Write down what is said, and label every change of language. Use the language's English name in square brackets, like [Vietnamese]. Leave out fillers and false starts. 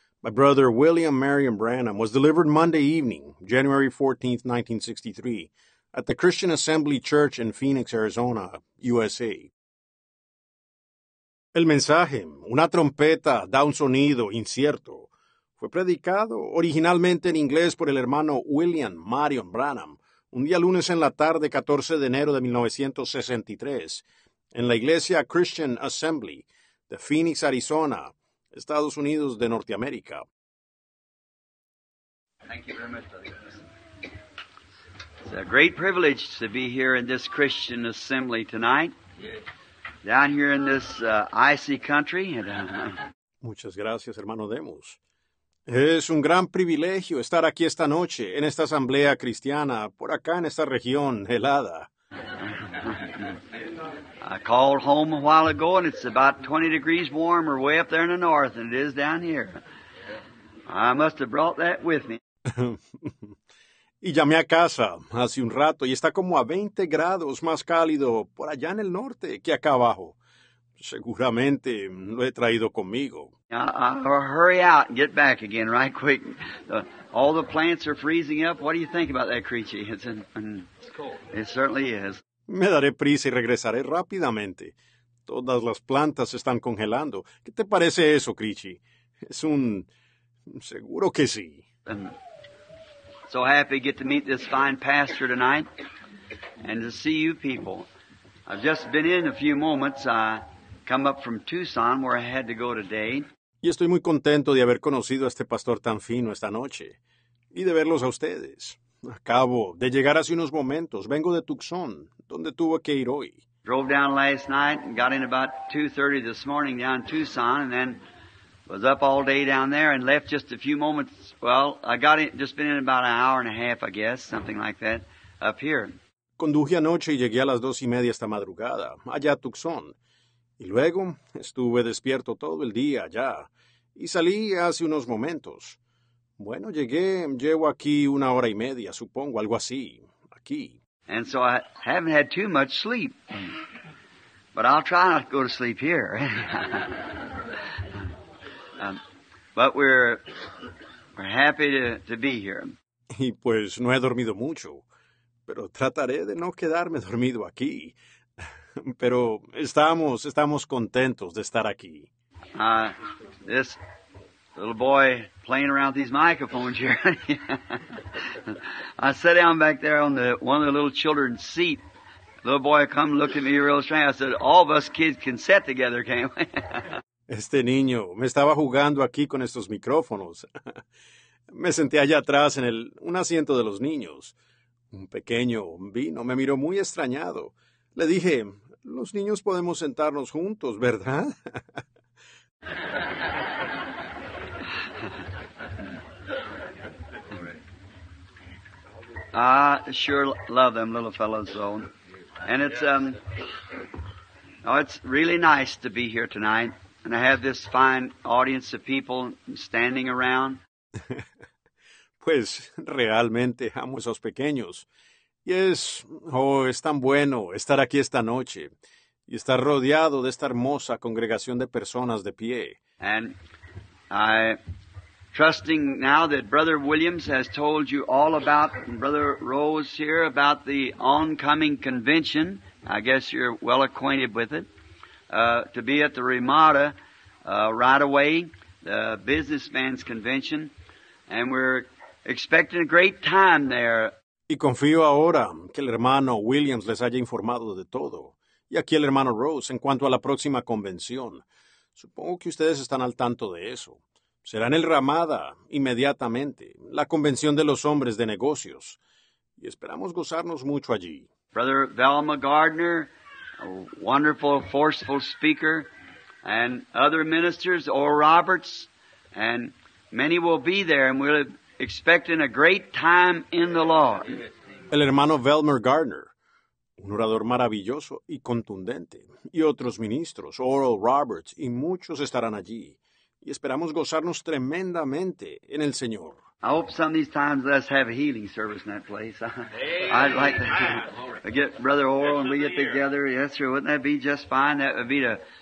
[English] My brother William Marion Branham was delivered Monday evening, January 14, 1963, at the Christian Assembly Church in Phoenix, Arizona, USA. [Spanish] El mensaje, una trompeta da un sonido incierto, fue predicado originalmente en inglés por el hermano William Marion Branham un día lunes en la tarde 14 de enero de 1963, en la iglesia Christian Assembly de Phoenix, Arizona, Estados Unidos de Norteamérica. [English] Thank you very much, brother. It's a great privilege to be here in this Christian Assembly tonight. Down here in this icy country. [Spanish] Muchas gracias, hermano Demos. Es un gran privilegio estar aquí esta noche en esta asamblea cristiana por acá en esta región helada. [English] I called home a while ago, and it's about 20 degrees warmer way up there in the north than it is down here. I must have brought that with me. [Spanish] Y llamé a casa hace un rato, y está como a 20 grados más cálido por allá en el norte que acá abajo. Seguramente lo he traído conmigo. [English] I'll hurry out and get back again right quick. All the plants are freezing up. What do you think about that, Creechy? It's cold. It certainly is. [Spanish] Me daré prisa y regresaré rápidamente. Todas las plantas están congelando. ¿Qué te parece eso, Creechy? Es un... seguro que sí. [English] So happy to get to meet this fine pastor tonight and to see you people. I've just been in a few moments. I come up from Tucson where I had to go today. [Spanish] Y estoy muy contento de haber conocido a este pastor tan fino esta noche y de verlos a ustedes. Acabo de llegar hace unos momentos. Vengo de Tucson, donde tuve que ir hoy. [English] Drove down last night and got in about 2:30 this morning down Tucson, and then was up all day down there and left just a few moments. Well, I got in, just been in about an hour and a half, I guess, something like that, up here. [Spanish] Conduje anoche y llegué a las 2:30 esta madrugada, allá a Tucson. Y luego estuve despierto todo el día allá y salí hace unos momentos. Bueno, llevo aquí una hora y media, supongo, algo así, aquí. [English] And so I haven't had too much sleep, but I'll try not to go to sleep here. But we're happy to be here. [Spanish] Y pues no he dormido mucho, pero trataré de no quedarme dormido aquí. Pero estamos contentos de estar aquí. [English] This little boy playing around these microphones here. I sat down back there on one of the little children's seat. Little boy come looked at me real strange. I said, all of us kids can sit together, can't we? [Spanish] Este niño me estaba jugando aquí con estos micrófonos. Me senté allá atrás en un asiento de los niños. Un pequeño vino me miró muy extrañado. Le dije, los niños podemos sentarnos juntos, ¿verdad? [English] I sure love them little fellows, though. And it's really nice to be here tonight. And I have this fine audience of people standing around. [Spanish] Pues realmente amo esos pequeños. Y es tan bueno estar aquí esta noche y estar rodeado de esta hermosa congregación de personas de pie. [English] And I trusting now that Brother Williams has told you all about Brother Rose here about the oncoming convention. I guess you're well acquainted with it. To be at the Ramada right away, the businessman's convention, and we're expecting a great time there. [Spanish] Y confío ahora que el hermano Williams les haya informado de todo. Y aquí el hermano Rose, en cuanto a la próxima convención, supongo que ustedes están al tanto de eso. Será en el Ramada, inmediatamente, la convención de los hombres de negocios. Y esperamos gozarnos mucho allí. [English] Brother Velma Gardner, a wonderful, forceful speaker, and other ministers, Oral Roberts, and many will be there, and we're expecting a great time in the Lord. [Spanish] El hermano Velmer Gardner, un orador maravilloso y contundente, y otros ministros, Oral Roberts, y muchos estarán allí, y esperamos gozarnos tremendamente en el Señor. [English] I hope some of these times let's have a healing service in that place. I'd like to get Brother Oral and we get together. Yes, sir. Wouldn't that be just fine? That would be the